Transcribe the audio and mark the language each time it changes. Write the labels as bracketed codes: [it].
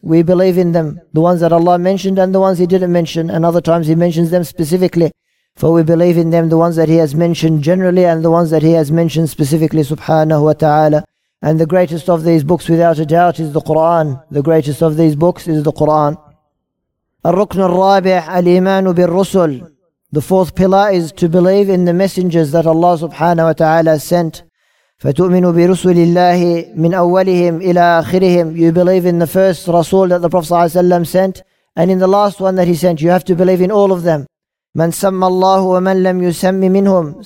[en] We believe in them, the ones that Allah mentioned and the ones He didn't mention. And other times He mentions them specifically. For we believe in them, the ones that He has mentioned generally and the ones that He has mentioned specifically subhanahu wa ta'ala. And the greatest of these books without a doubt is the Qur'an. The greatest of these books is the Qur'an. [ar] الركن الرابع الإيمان بالرسل. [en] The fourth pillar is to believe in the messengers that Allah subhanahu wa ta'ala sent. [ar] فَتُؤْمِنُ بِرُسُلِ اللَّهِ مِنْ أَوَّلِهِمْ إِلَىٰ آخِرِهِمْ. [en] You believe in the first Rasul that the Prophet ﷺ sent, and in the last one that he sent. You have to believe in all of them. [ar] مَنْ سَمَّى اللَّهُ وَمَنْ لَمْ يُسَمِّ مِنْهُمْ.